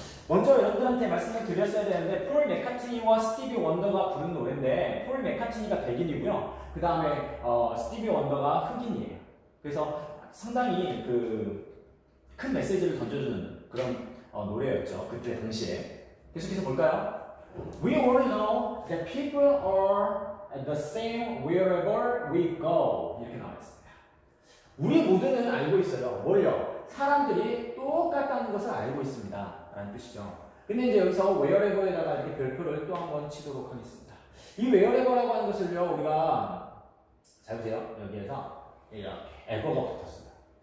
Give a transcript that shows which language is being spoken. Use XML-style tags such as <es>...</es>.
<ko>먼저 여러분들한테 말씀을 드렸어야 되는데, 폴 맥카트니와 스티비 원더가 부른 노래인데, 폴 맥카트니가 백인이고요. 그 다음에 스티비 원더가 흑인이에요. 그래서 상당히 그 큰 메시지를 던져주는 그런 노래였죠. 그때 당시에. 계속해서 볼까요?</ko> <en>We all know that people are the same wherever we go.</en> <ko>이렇게 나와 있습니다. 우리 모두는 알고 있어요. 뭘요? 사람들이 똑같다는 것을 알고 있습니다. 라는 뜻이죠. 근데 이제 여기서 wherever에다가 이렇게 별표를 또 한번 치도록 하겠습니다. 이 wherever라고 하는 것을요, 우리가 잘 보세요. 여기에서 이렇게 ever가 붙었습니다.</ko>